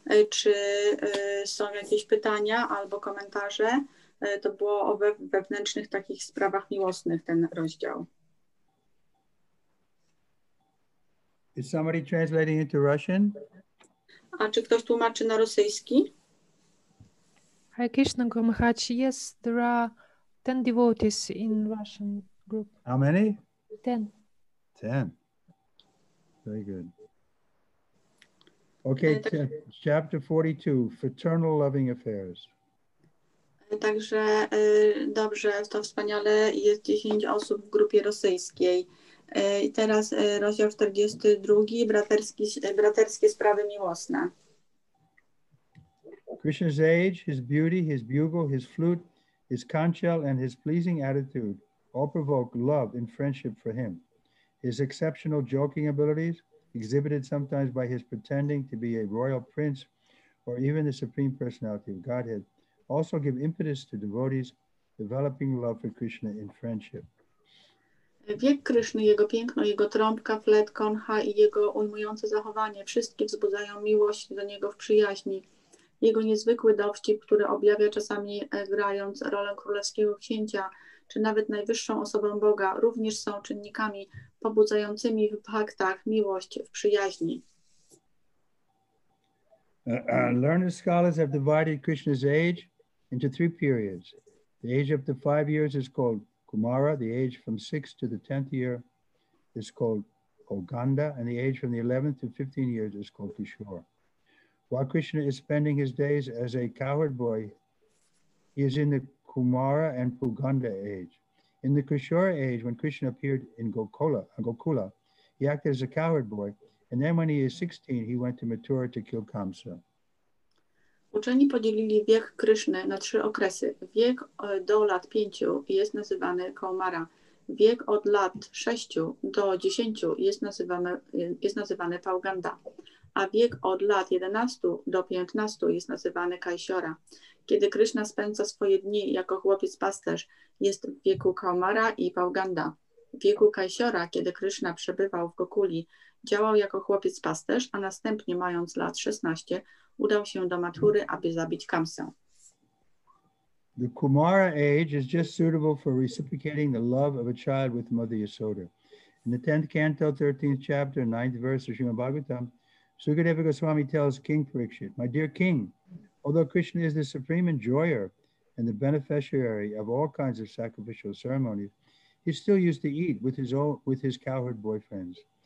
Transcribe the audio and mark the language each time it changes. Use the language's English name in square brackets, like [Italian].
[Polish] Czy są jakieś pytania albo komentarze? To było o wewnętrznych takich sprawach miłosnych, ten rozdział. [English] Is somebody translating into Russian? [Polish] A czy ktoś tłumaczy na rosyjski? [English] Hi Krishna Guru Maharaj. Yes, there are 10 devotees in Russian group. How many? 10. 10. Very good. Okay, chapter 42, Fraternal Loving Affairs. [Polish] Także dobrze, to wspaniale, jest 10 osób w grupie rosyjskiej. I teraz rozdział 42, braterskie sprawy miłosne. [English] Krishna's age, his beauty, his bugle, his flute, his conchal and his pleasing attitude all provoke love and friendship for him. His exceptional joking abilities, exhibited sometimes by his pretending to be a royal prince or even the supreme personality of Godhead, also give impetus to devotees developing love for Krishna in friendship. [Polish] Wiek Kryszny, jego piękno, jego trąbka, flet, konha i jego ujmujące zachowanie wszystkie wzbudzają miłość do niego w przyjaźni. Jego niezwykły dowcip, który objawia czasami grając rolę królewskiego księcia, czy nawet najwyższą osobę Boga, również są czynnikami pobudzającymi w paktach miłość w przyjaźni. [English] Learned scholars have divided Krishna's age into three periods. The age of the 5 years is called Kumara, the age from 6th to the 10th year is called Koganda, and the age from the 11th to 15 years is called Kishore. While Krishna is spending his days as a cowherd boy, he is in the Kumara and Puganda age. In the Kishore age, when Krishna appeared in Gokula, he acted as a cowherd boy, and then when he is 16, he went to Mathura to kill Kamsa. [Polish] Uczeni podzielili wiek Kryszny na trzy okresy. Wiek do lat 5 jest nazywany Kaumara. Wiek od lat 6 do 10 jest nazywany Pauganda. A wiek od lat 11 do 15 jest nazywany Kaisiora. Kiedy Kryszna spędza swoje dni jako chłopiec pasterz, jest w wieku Kaumara i Pauganda. W wieku Kaisiora, kiedy Kryszna przebywał w Gokuli, działał jako chłopiec pasterz, a następnie mając lat 16, udał się do Mathury, aby zabić Kamsę. [English] The Kumara age is just suitable for reciprocating the love of a child with Mother Yasoda. In the 10th canto, 13th chapter, 9th verse of Srimad Bhagavatam, Sukadeva Goswami tells King Parikshit, "My dear king, although Krishna is the supreme enjoyer and the beneficiary of all kinds of sacrificial ceremonies, he still used to eat with his cowherd boyfriends.